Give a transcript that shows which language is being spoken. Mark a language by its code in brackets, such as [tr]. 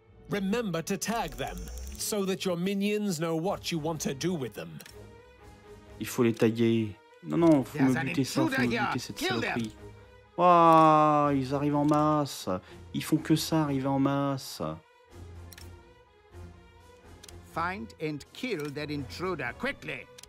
[en] Remember to tag them so that your minions know what you want to do with them. [fr] Il faut les taguer. Non, faut me buter cette saloperie. Waouh, ils arrivent en masse. Ils font que ça, arriver en masse. [en] Find and kill that intruder quickly.